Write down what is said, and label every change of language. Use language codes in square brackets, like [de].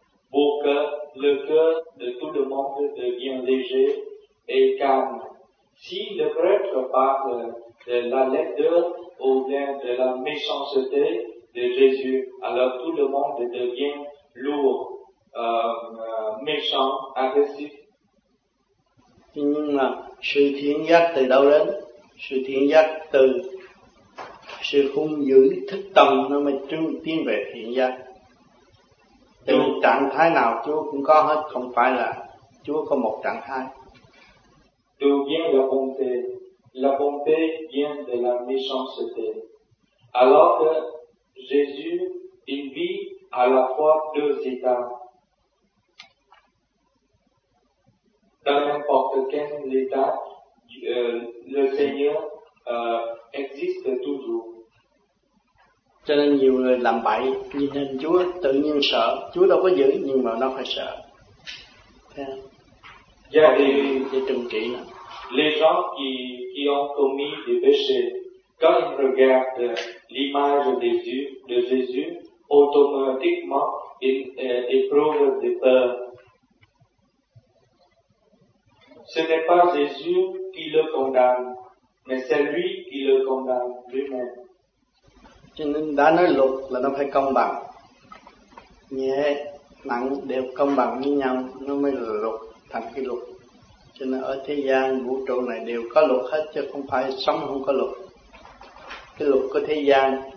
[fr] Pour que le cœur de tout le monde devienne léger et calme. Si le prêtre parle de la laideur ou bien de la méchanceté de Jésus, alors tout le monde devient lourd, méchant, agressif. [vi] Nhưng mà sự thiện giác từ đâu đến? Sự thiện giác từ sự hung dữ thức tâm nó mới tiến về thiện giác. Từ trạng thái nào Chúa cũng có hết, không phải là Chúa có một trạng thái. [fr] D'où vient la bonté? La bonté vient de la méchanceté. Alors que Jésus, il vit à la fois deux états. Dans n'importe quel état, le Seigneur existe toujours. [vi] Cho nên nhiều người làm bậy, nhìn hình Chúa tự nhiên sợ, Chúa đâu có giữ nhưng mà nó phải sợ. Gia đình để trừng trị nó. [fr] Les gens qui ont commis des péchés, quand ils regardent l'image de Jésus, automatiquement ils éprouvent des peurs. Ce n'est pas Jésus qui le condamne, mais c'est lui qui le condamne lui-même. [vi] Cho nên đã nói luật là nó phải công bằng, nhẹ nặng đều công bằng với nhau, nó mới là luật, thành cái luật. Cho nên ở thế gian vũ trụ này đều có luật hết, chứ không phải sống không có luật. Cái luật của thế gian